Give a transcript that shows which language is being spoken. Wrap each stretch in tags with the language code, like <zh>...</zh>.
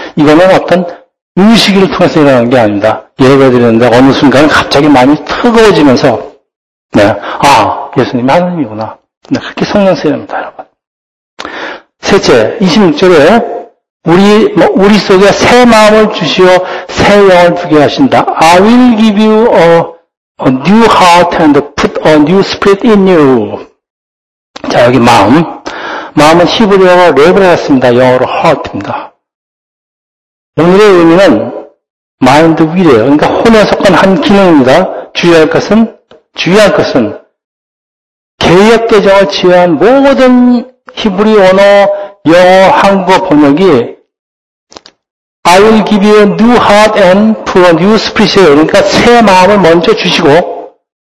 <ko>이거는 어떤 의식을 통해서 일어나는 게 아닙니다. 예배 드렸는데 어느 순간 갑자기 마음이 뜨거워지면서 네, 아 예수님이 하나님이구나. 네, 그렇게 성령 세례입니다 여러분. 셋째, 26절에 우리 속에 새 마음을 주시어 새 영을 두게 하신다.</ko> <en>I will give you a new heart and put a new spirit in you.</en> <ko>자, 여기 마음. 마음은 히브리어로 레브라 같습니다. 영어로 heart입니다. 오늘의 의미는 mind will이에요. 그러니까 혼에 속한 한 기능입니다. 주의할 것은 계약 계정을 지휘한 모든 히브리 언어, 영어, 한국어 번역이</ko> <en>I will give you a new heart and put a new spirit.</en> <ko>그러니까 새 마음을 먼저 주시고</ko>